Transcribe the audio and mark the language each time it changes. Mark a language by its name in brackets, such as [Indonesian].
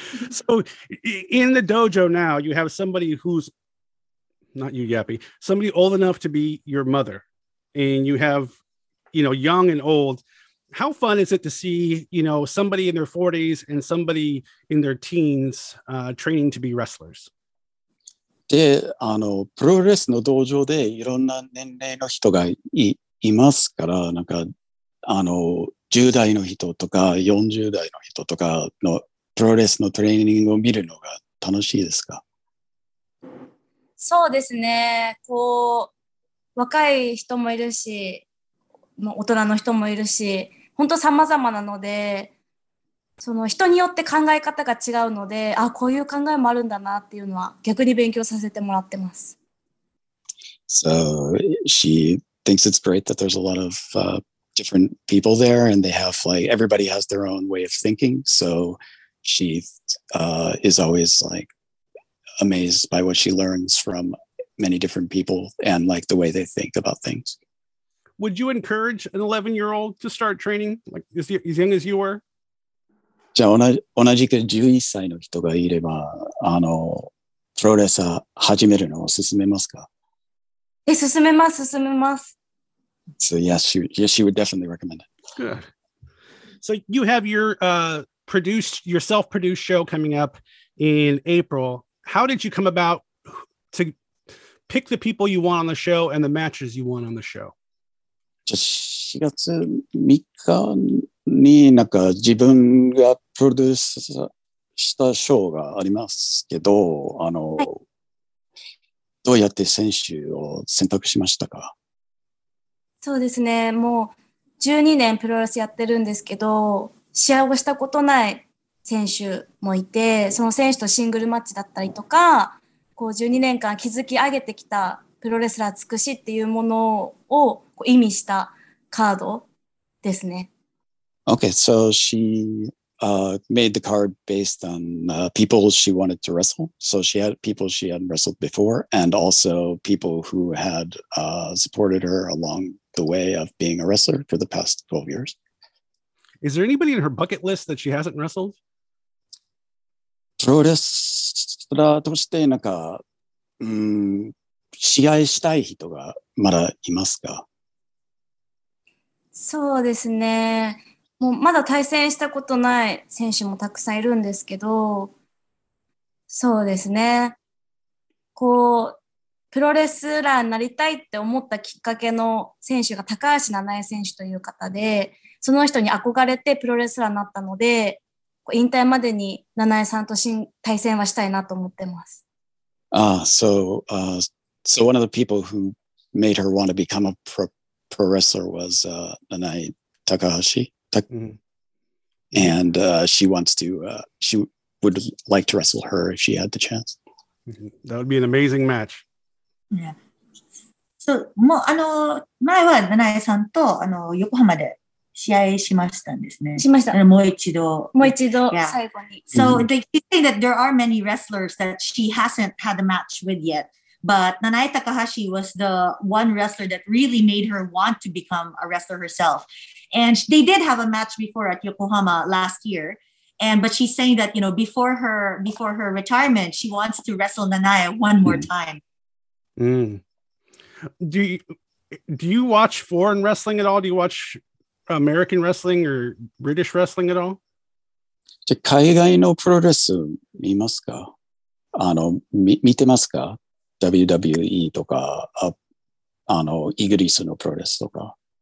[English] So in the dojo now, you have somebody who's not you, Yappy, somebody old enough to be your mother. And you have, you know, young and old. How fun is it to see, you know, somebody in their 40s and somebody in their teens training to be wrestlers? [Japanese] で、あの、プロレスの道場でいろんな年齢の人がいますから、なんか、あの、10代の人とか40代の人とかのプロレスのトレーニングを見るのが楽しいですか？そうですね。こう、若い人もいるし、もう大人の人もいるし、本当様々なので、その人によって考え方が違うので、あ、こういう考えもあるんだなっていうのは逆に勉強させてもらってます。 [English] So she thinks it's great that there's a lot of different people there and they have like, everybody has their own way of thinking. So she is always like amazed by what she learns from many different people and like the way they think about things. Would you encourage an 11-year-old to start training, like as young as you were? [Japanese] じゃあ同じく11歳の人がいれば、あの、プロレスを始めるのを勧めますか？え、勧めます、勧めます。 [English] So yes, she would definitely recommend it. Good. So you have your self-produced show coming up in April. How did you come about to pick the people you want on the show and the matches you want on the show? [Japanese] じゃあ4月3日になんか自分がプロデュースしたショーがありますけど、あの、はい、どうやって選手を選択しましたか？そうですね、もう12年プロレスやってるんですけど、試合をしたことない選手もいて、その選手とシングルマッチだったりとか、こう12年間築き上げてきたプロレスラー尽くしっていうものを意味したカードですね。 [English] Okay, so she made the card based on people she wanted to wrestle. So she had people she hadn't wrestled before and also people who had supported her along the way of being a wrestler for the past 12 years. Is there anybody in her bucket list that she hasn't wrestled? [Japanese] プロレスラーとしてなんか、試合したい人がまだいますか？そうですね。もうまだ対戦したことない選手もたくさんいるんですけど、そうですね。こう、プロレスラーになりたいって思ったきっかけの選手が高橋七重選手という方で、その人に憧れてプロレスラーになったので、引退までに七重さんと対戦はしたいなと思ってます。ああ、そう、 [English] So one of the people who made her want to become a pro wrestler was Nanae Takahashi. And she would like to wrestle her if she had the chance. That would be an amazing match. [Japanese] Yeah. So, もうあの、前は Nanae さんとあの、横浜で試合しましたんですね。しました。もう一度。もう一度、yeah. 最後に。 [English] So, they say that there are many wrestlers that she hasn't had a match with yet. But Nanae Takahashi was the one wrestler that really made her want to become a wrestler herself. And they did have a match before at Yokohama last year. But she's saying that, you know, before her retirement, she wants to wrestle Nanae one more time. Mm. Do you watch foreign wrestling at all? Do you watch American wrestling or British wrestling at all? [Japanese] 海外のプロレス見ますか？あの、見てますか？ WWE とか、あの、イギリスのプロレスとか。